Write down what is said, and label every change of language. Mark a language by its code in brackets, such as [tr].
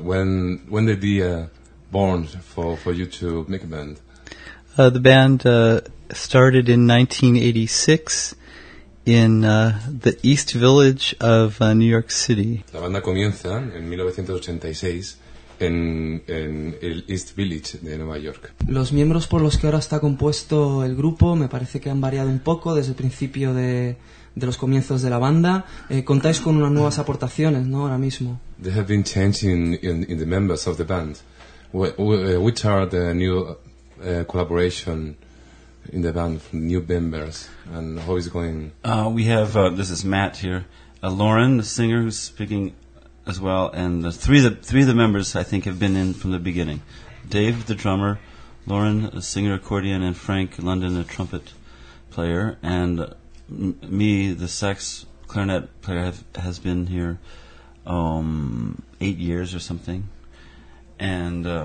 [en] When the idea born for you to make a band? The band started in 1986 in the East Village of New York City. [es] La banda comienza en 1986 en el East Village de Nueva York. Los miembros por los que ahora está compuesto el grupo me parece que han variado un poco desde el principio de los comienzos de la banda. Contáis con unas nuevas aportaciones, ¿no? Ahora mismo. [en] They have been changing in the members of the band. Which are the new collaboration in the band from new members, and how is it going? We have this is Matt here, Lauren, the singer, who's speaking as well, and the three members I think have been in from the beginning: Dave, the drummer; Lauren, the singer, accordion; and Frank London, the trumpet player; and me, the sax clarinet player, has been here 8 years or something, and